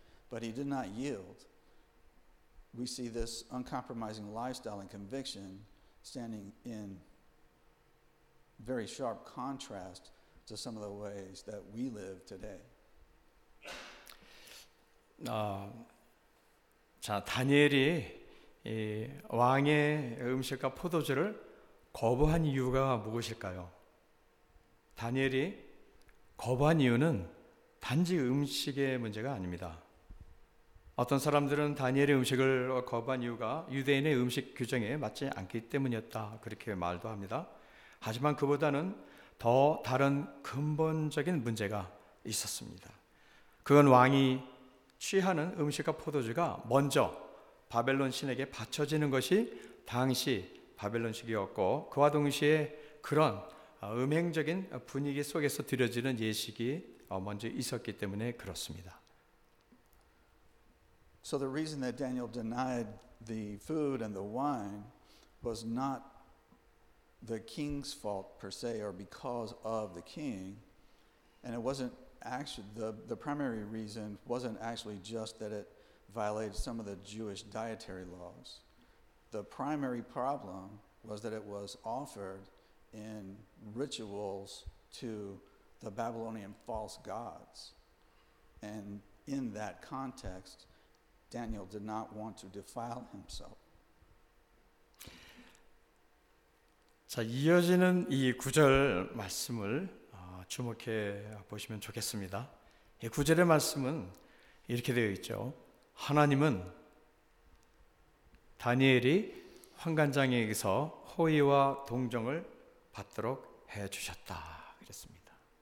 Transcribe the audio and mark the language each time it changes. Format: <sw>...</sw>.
<en>But he did not yield. We see this uncompromising lifestyle and conviction standing in very sharp contrast to some of the ways that we live today.</en> <ko>자, 다니엘이 이 왕의 음식과 포도주를 거부한 이유가 무엇일까요? 다니엘이 거부한 이유는 단지 음식의 문제가 아닙니다. 어떤 사람들은 다니엘의 음식을 거부한 이유가 유대인의 음식 규정에 맞지 않기 때문이었다, 그렇게 말도 합니다. 하지만 그보다는 더 다른 근본적인 문제가 있었습니다. 그건 왕이 취하는 음식과 포도주가 먼저 바벨론 신에게 바쳐지는 것이 당시 바벨론식이었고, 그와 동시에 그런 음행적인 분위기 속에서 드려지는 예식이 먼저 있었기 때문에 그렇습니다.</ko> <en>So the reason that Daniel denied the food and the wine was not the king's fault per se or because of the king, and it wasn't actually the primary reason wasn't actually just that it violated some of the Jewish dietary laws. The primary problem was that it was offered in rituals to the Babylonian false gods. And in that context, Daniel did not want to defile himself.</en> <ko>자, 이어지는 이 구절 말씀을 주목해 보시면 좋겠습니다. 이 구절의 말씀은 이렇게 되어 있죠. 하나님은 다니엘이 환관장에게서 호의와 동정을 받도록 해주셨다, 그랬습니다.</ko>